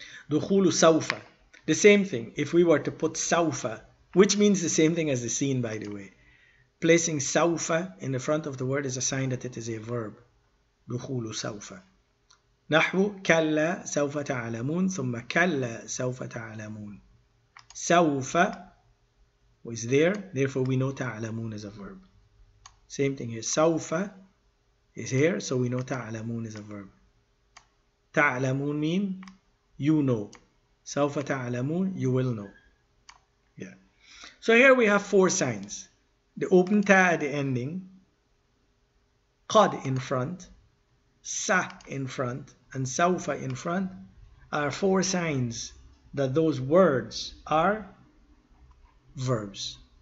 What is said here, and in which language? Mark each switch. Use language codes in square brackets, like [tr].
[ar] دخول سوفا, [en] the same thing. If we were to put سوفا, which means the same thing as the scene, by the way, placing سوفا in the front of the word is a sign that it is a verb. دخول سوفا. [ar] نحو كلا سوف تعلمون ثم كلا سوف تعلمون سوف [en] is there, therefore we know تعلمون is a verb. Same thing here, سوف is here, so we know تعلمون is a verb. تعلمون mean you know. [ar] سوف تعلمون, [en] you will know. Yeah. So here we have four signs. The open تاء at the ending, قد in front, سا in front, and سوف in front are four signs that those words are verbs.